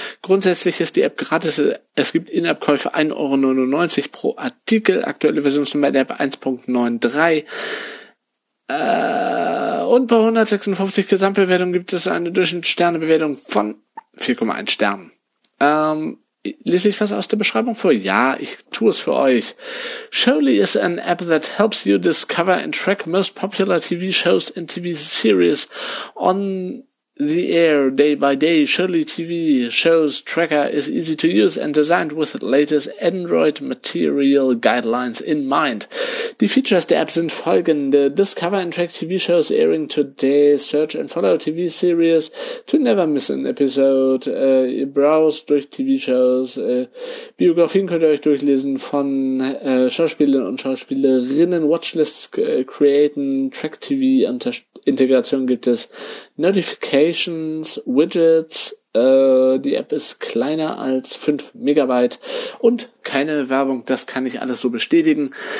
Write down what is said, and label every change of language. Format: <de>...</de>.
<de>Grundsätzlich ist die App gratis. Es gibt In-App-Käufe 1,99 € pro Artikel. Aktuelle Versionsnummer der App 1.93. Und bei 156 Gesamtbewertungen gibt es eine Durchschnittssternebewertung von 4,1 Sternen. Lese ich was aus der Beschreibung vor? Ja, ich tue es für euch.</de> <en>Showly is an app that helps you discover and track most popular TV shows and TV series on the air day by day. Showly TV shows tracker is easy to use and designed with the latest Android material guidelines in mind.</en> <de>Die Features der App sind folgende.</de> <en>Discover and track TV shows airing today. Search and follow TV series to never miss an episode.</en> <de>Browse durch TV shows. Biografien könnt ihr euch durchlesen von Schauspielern und Schauspielerinnen. Watchlists createn. Track TV Integration gibt es. Notifications, Widgets, die App ist kleiner als 5 Megabyte und keine Werbung, das kann ich alles so bestätigen.</de>